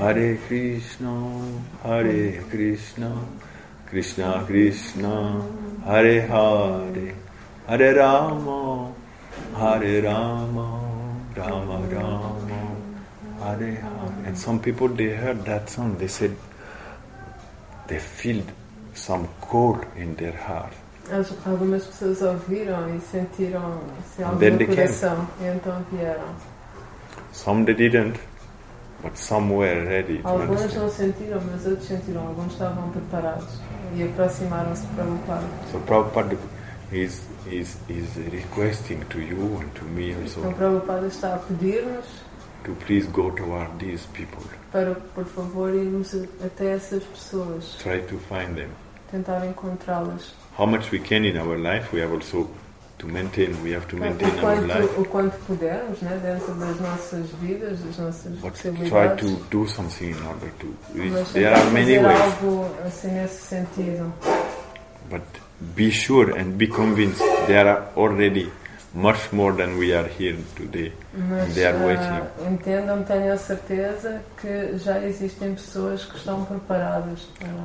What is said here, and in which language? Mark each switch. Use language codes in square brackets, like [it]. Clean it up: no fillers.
[en] Hare Krishna, Hare Krishna, Krishna Krishna, Hare Hare. Hare Rama, Hare Rama, Rama Rama, Hare Hare. And some people, they heard that song, they said, they felt some cold in their heart. [pt] Algumas pessoas ouviram e sentiram algum coração, e então vieram. [en] Some they didn't, but some were ready. [pt] Alguns não sentiram, mas outros sentiram, alguns estavam preparados e aproximaram-se para o Pai. [en] So Prabhupada is requesting to you and to me also. [pt] Então, Prabhupada está a pedir-nos [en] to please go toward these people. [pt] Para, por favor, irmos até essas pessoas. [en] Try to find them. [pt] Tentar encontrá-las. [en] How much we can in our life, we have also to maintain. We have to maintain [pt] o quanto, [en] our life. [pt] O quanto pudermos, né, dentro das nossas vidas, das nossas [en] but [pt] possibilidades. [en] Try to do something in order to. There are many ways. [pt] Fazer algo assim nesse sentido. [en] But be sure and be convinced there are already much more than we are here today. [pt] Mas, [en] and they are waiting. [pt] Entendam, tenho a certeza que já existem pessoas que estão preparadas para.